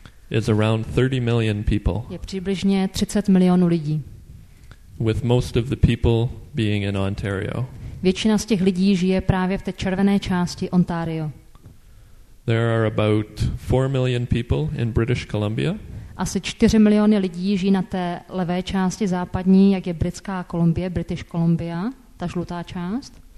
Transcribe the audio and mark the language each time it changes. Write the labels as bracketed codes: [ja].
[en] is around 30 million people. [cs] Je přibližně 30 milionů lidí. [en] With most of the people being in Ontario. [cs] Většina z těch lidí žije právě v té červené části Ontario. [en] There are about 4 million people in British Columbia. [cs] Asi 4 miliony lidí žijí na té levé části západní, jak je britská Kolumbie, British Columbia, ta žlutá část.